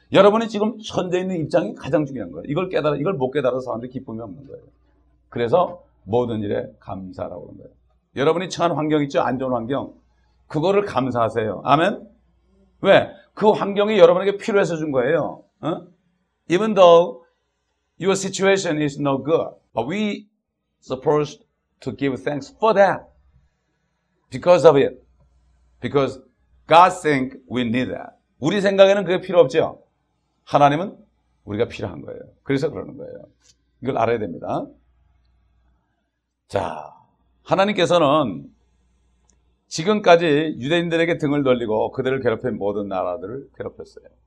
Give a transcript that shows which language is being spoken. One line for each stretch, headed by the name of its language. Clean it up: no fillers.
Korean: 여러분이 지금 현재 있는 입장이 가장 중요한 거예요. 이걸 못 깨달아서 사람들이 기쁨이 없는 거예요. 그래서 모든 일에 감사라고 하는 거예요. 여러분이 처한 환경 있죠? 안 좋은 환경. 그거를 감사하세요. 아멘? 왜? 그 환경이 여러분에게 필요해서 준 거예요. 어?
English: Even though your situation is no good, but we supposed to give thanks for that. Because of it. Because God think we need that.
Korean: 우리 생각에는 그게 필요 없죠? 하나님은 우리가 필요한 거예요. 그래서 그러는 거예요. 이걸 알아야 됩니다. 자, 하나님께서는 지금까지 유대인들에게 등을 돌리고 그들을 괴롭힌 모든 나라들을 괴롭혔어요.